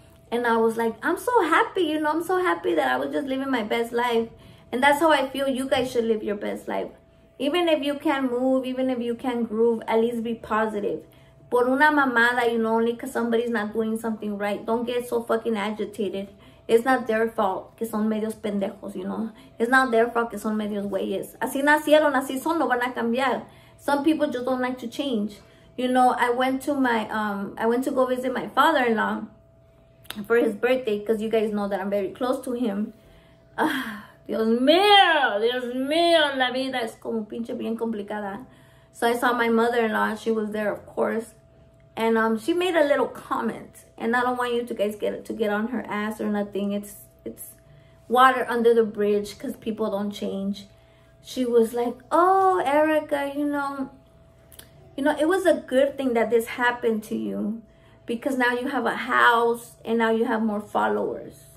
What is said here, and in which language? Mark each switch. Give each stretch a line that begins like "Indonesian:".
English: And I was like, I'm so happy, you know, I'm so happy that I was just living my best life. And that's how I feel. You guys should live your best life. Even if you can't move, even if you can't groove, at least be positive.
Spanish: Por una mamada,
English: you know, only because somebody's not doing something right. Don't get so fucking agitated. It's not their fault
Spanish: que son medios pendejos,
English: you know. It's not their fault
Spanish: que son medios güeyes. Así nacieron, así son, no van a cambiar.
English: Some people just don't like to change. You know, I went to go visit my father-in-law for his birthday because you guys know that I'm very close to him.
Spanish: Dios mío, la vida es como pinche bien complicada.
English: So I saw my mother-in-law, she was there, of course. And she made a little comment, and I don't want you to guys to get on her ass or nothing. It's water under the bridge because people don't change. She was like, oh, Erica, you know, it was a good thing that this happened to you because now you have a house and now you have more followers.